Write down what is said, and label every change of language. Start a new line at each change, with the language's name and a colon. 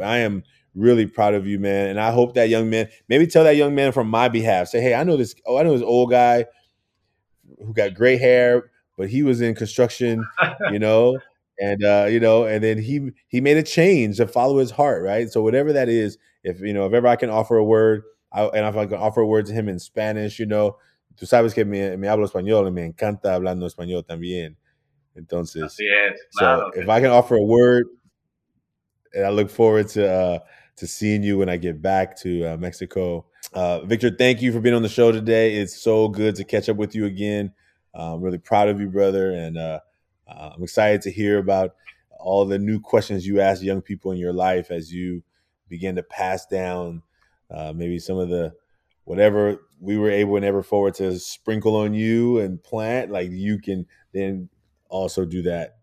English: I am really proud of you, man. And I hope that young man, maybe tell that young man from my behalf, say, hey, I know this old guy who got gray hair, but he was in construction, you know? And then he made a change to follow his heart, right? So whatever that is, if ever I can offer a word, and if I can offer a word to him in Spanish, you know,
Spanish: tú sabes que me hablo español y me encanta hablando español también. Entonces, así es, claro,
English: so okay. If I can offer a word, and I look forward to seeing you when I get back to Mexico. Victor, thank you for being on the show today. It's so good to catch up with you again. I'm really proud of you, brother, and I'm excited to hear about all the new questions you ask young people in your life as you begin to pass down maybe some of the whatever we were able and ever forward to sprinkle on you and plant, like you can then also do that.